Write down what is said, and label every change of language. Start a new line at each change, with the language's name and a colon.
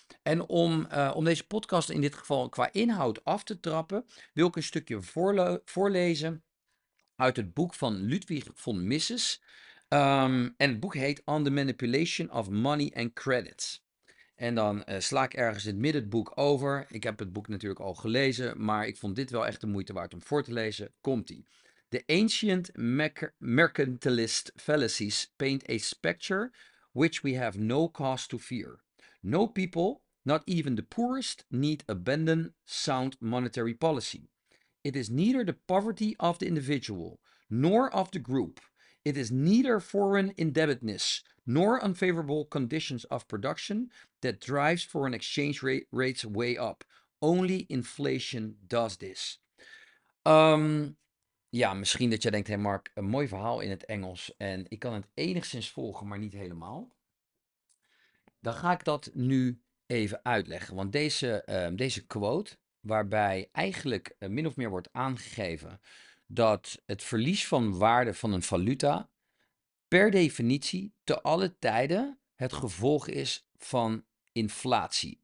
Dutch: En om deze podcast in dit geval qua inhoud af te trappen, wil ik een stukje voorlezen uit het boek van Ludwig von Mises. En het boek heet On the Manipulation of Money and Credit. En dan sla ik ergens in het midden het boek over. Ik heb het boek natuurlijk al gelezen, maar ik vond dit wel echt de moeite waard om voor te lezen. Komt-ie.
English: The ancient mercantilist fallacies paint a spectre which we have no cause to fear. No people, not even the poorest, need abandon sound monetary policy. It is neither the poverty of the individual nor of the group. It is neither foreign indebtedness nor unfavorable conditions of production that drives foreign exchange rates way up. Only inflation does this.
Dutch: Misschien dat jij denkt, hey Mark, een mooi verhaal in het Engels en ik kan het enigszins volgen, maar niet helemaal. Dan ga ik dat nu even uitleggen, want deze quote, waarbij eigenlijk min of meer wordt aangegeven dat het verlies van waarde van een valuta per definitie te alle tijden het gevolg is van inflatie.